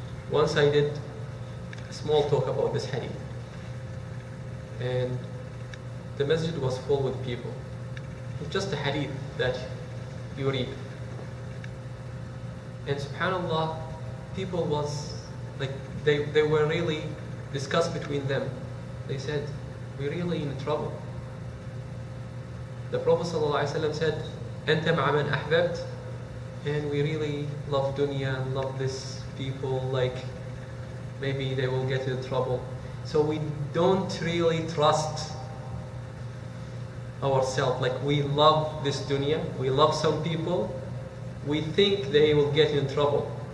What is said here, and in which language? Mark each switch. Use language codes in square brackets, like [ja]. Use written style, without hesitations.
[en] Once I did a small talk about this hadith, and the masjid was full with people. It's just a hadith that you read. And subhanAllah, people was like, they were really discussed between them. They said, we're really in trouble. The Prophet ﷺ said, [ar] أَنْتَ مَعَ مَنْ أَحْبَبْتَ. [en] And we really love dunya and love this people, like maybe they will get in trouble. So we don't really trust ourselves. Like we love this dunya, we love some people, we think they will get in trouble.